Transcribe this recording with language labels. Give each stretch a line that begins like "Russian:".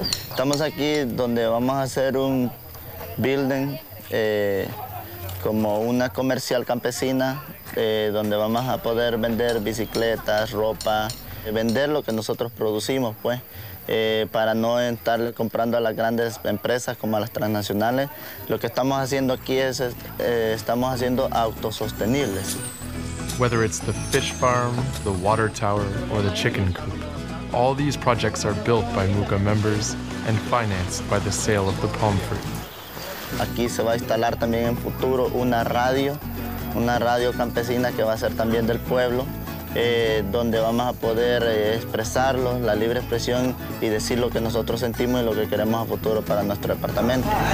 Spanish: Estamos aquí donde vamos a hacer un building, como una comercial campesina, donde vamos a poder vender bicicletas, ropa, vender lo que nosotros producimos, pues, para no estar comprando a las grandes empresas como a las transnacionales. Lo que estamos haciendo aquí es, estamos haciendo autosostenibles.
English: Whether it's the fish farm, the water tower, or the chicken coop, all these projects are built by MUCA members and financed by the sale of the palm fruit.
Spanish: Aquí se va a instalar también en futuro una radio campesina que va a ser también del pueblo, donde vamos a poder expresarlo, la libre expresión, y decir lo que nosotros sentimos y lo que queremos a futuro para nuestro departamento.